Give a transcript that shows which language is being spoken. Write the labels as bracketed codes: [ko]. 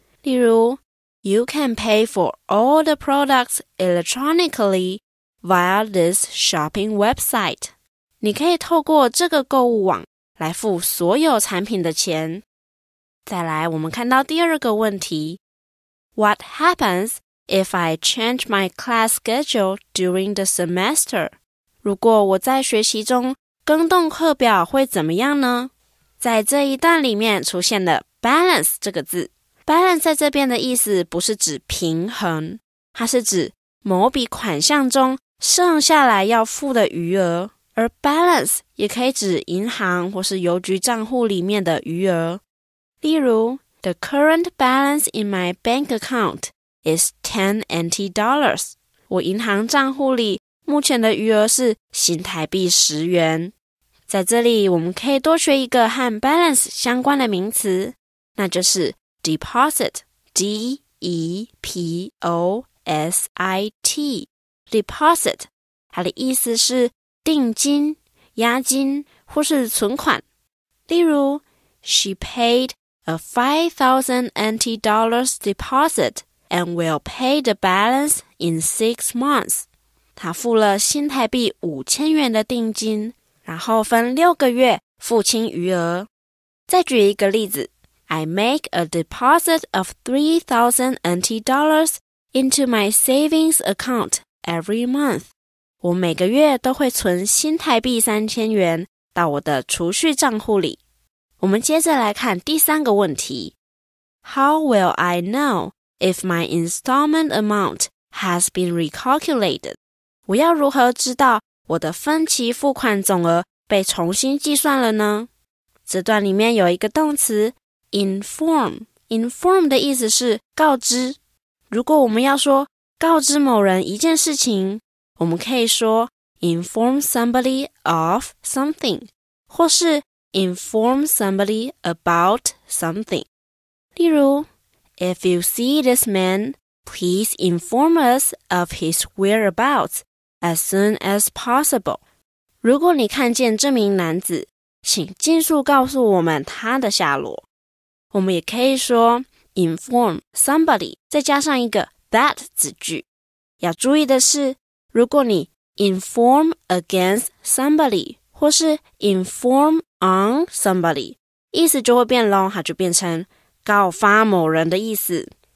[zh] 例如 [en] You can pay for all the products electronically,via this shopping website. [zh] 你可以透过这个购物网来付所有产品的钱。再来我们看到第二个问题。 [en] What happens if I change my class schedule during the semester? [zh] 如果我在学习中更动课表会怎么样呢？在这一段里面出现了 balance 这个字。 balance 在这边的意思不是指平衡，它是指某笔款项中剩下来要付的余额，而 balance 也可以指银行或是邮局账户里面的余额。例如 [en] The current balance in my bank account is $10 NT. [zh] 我银行账户里目前的余额是新台币10元。在这里我们可以多学一个和 balance 相关的名词，那就是 deposit， D-E-P-O-S-I-T。 Deposit， 它的意思是定金、押金或是存款。例如 [en] ，She paid a $5,000 deposit and will pay the balance in 6 months。 [zh] 她付了新台币5000元的定金，然后分6个月付清余额。再举一个例子 [en] ，I make a deposit of $3,000 into my savings account。 Every month, [zh] 我每个月都会存新台币3000元到我的储蓄账户里。我们接着来看第三个问题。 [en] How will I know if my installment amount has been recalculated? [zh] 我要如何知道我的分期付款总额被重新计算了呢？这段里面有一个动词 inform。inform 的意思是告知。如果我们要说告知某人一件事情，我们可以说 [en] inform somebody of something [zh] 或是 [en] inform somebody about something。 [zh] 例如 [en] If you see this man, please inform us of his whereabouts as soon as possible。 [zh] 如果你看见这名男子，请尽速告诉我们他的下落。我们也可以说 [en] inform somebody [zh] 再加上一个That 子句。要注意的是，如果你 [en] inform against somebody [zh] 或是 [en] inform on somebody， [zh] 意思就会变咯，它就变成告发某人的意思。